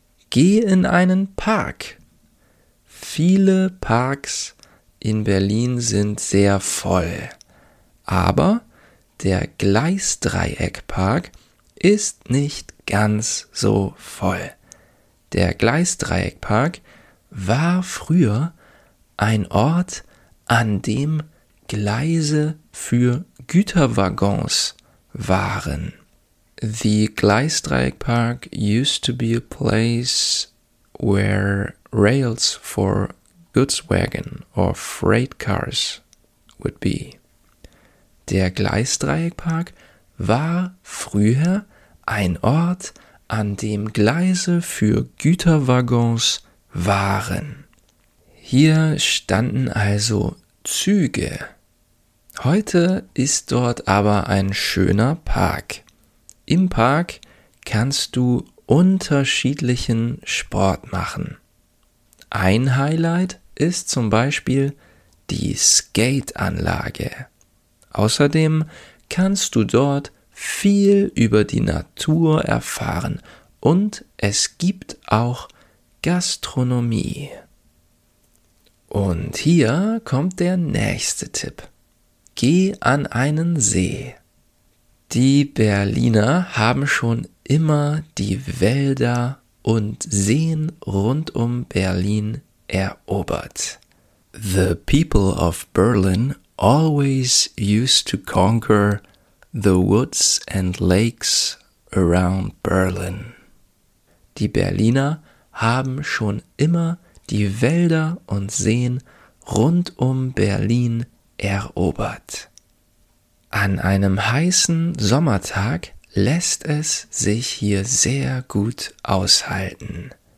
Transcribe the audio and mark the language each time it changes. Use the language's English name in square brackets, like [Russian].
[German] Geh in einen Park. Viele Parks in Berlin sind sehr voll, aber der Gleisdreieckpark ist nicht ganz so voll. Der Gleisdreieckpark war früher ein Ort, an dem Gleise für Güterwaggons waren. [English] The Gleisdreieckpark used to be a place where rails for goods wagon or freight cars would be. [German] Der Gleisdreieckpark war früher ein Ort, an dem Gleise für Güterwaggons waren. Hier standen also Züge. Heute ist dort aber ein schöner Park. Im Park kannst du unterschiedlichen Sport machen. Ein Highlight ist zum Beispiel die Skateanlage. Außerdem kannst du dort viel über die Natur erfahren und es gibt auch Gastronomie. Und hier kommt der nächste Tipp. Geh an einen See. Die Berliner haben schon immer die Wälder und Seen rund um Berlin erobert. [English] The people of Berlin always used to conquer the woods and lakes around Berlin. [German] Die Berliner haben schon immer die Wälder und Seen rund um Berlin erobert. An einem heißen Sommertag lässt es sich hier sehr gut aushalten.